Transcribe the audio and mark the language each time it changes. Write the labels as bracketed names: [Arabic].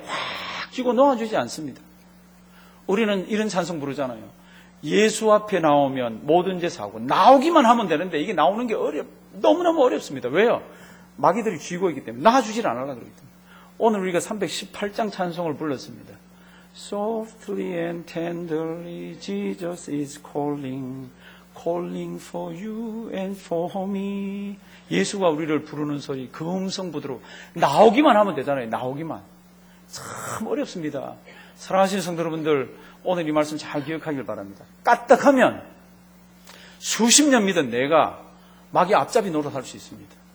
[Korean] 꽉 쥐고 놓아주지 않습니다. 우리는 이런 찬송 부르잖아요. 예수 앞에 나오면 뭐든지 사고 나오기만 하면 되는데 이게 나오는 게 너무너무 어렵습니다. 왜요? 마귀들이 쥐고 있기 때문에 놔주질 않으려고 그러기 때문에 오늘 우리가 318장 찬송을 불렀습니다. [English] Softly and tenderly Jesus is calling, calling for you and for me. [Korean] 예수가 우리를 부르는 소리 그 음성 부드러워 나오기만 하면 되잖아요. 나오기만 참 어렵습니다. 사랑하시는 성도 여러분들 오늘 이 말씀 잘 기억하길 바랍니다. 까딱하면 수십 년 믿은 내가 마귀 앞잡이 노릇할 수 있습니다.